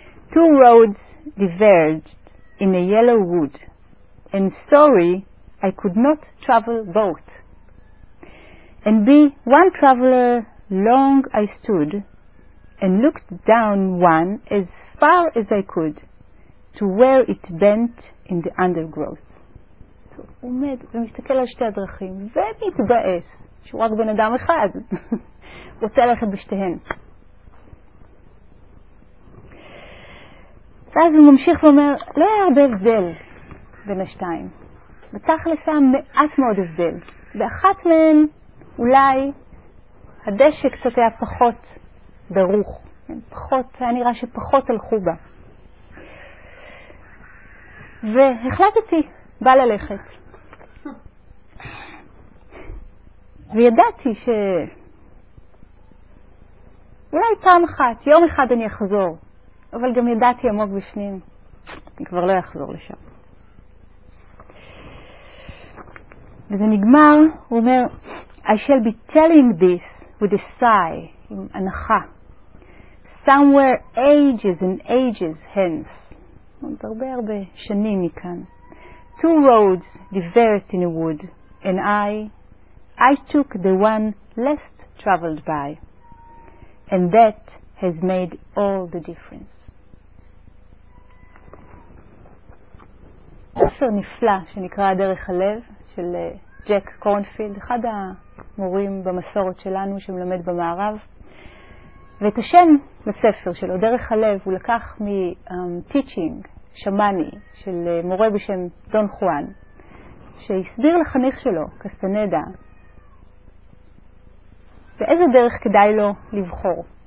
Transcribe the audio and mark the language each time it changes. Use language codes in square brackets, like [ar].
[en] Two roads diverged in a yellow wood, and sorry, I could not travel both. And be one traveler long I stood, and looked down one as far as I could, to where it bent in the undergrowth. [he] הוא עומד ומסתכל על שתי הדרכים, ומתבאס, שהוא רק בן אדם אחד, רוצה ללכת בשתיהן. ואז הוא ממשיך ואומר, לא היה הרבה הבדל בין השתיים. בצח לסם מעט מאוד הבדל. באחת מהן, אולי, הדשא קצת היה פחות ברוך. פחות, היה נראה שפחות הלכו בה. והחלטתי, בא ללכת. וידעתי ש... אולי פעם אחת, יום אחד אני אחזור. אבל גם ידעתי עמוק בשנים, אני כבר לא אחזור לשם. וזה נגמר, הוא אומר, [en] I shall be telling this with a sigh, [he] עם הנחה, [en] somewhere ages and ages hence. [he] עוד הרבה הרבה שנים מכאן. [en] Two roads diverged in a wood, and I took the one less traveled by, and that has made all the difference. [he] ספר נפלא שנקרא הדרך הלב של ג'ק קורנפילד, אחד המורים במסורת שלנו שמלמד במערב, ואת השם לספר שלו דרך הלב הוא לקח מטיצ'ינג שמני של מורה בשם דון חואן, שהסביר לחניך שלו קסטנדה באיזה דרך כדאי לו לבחור.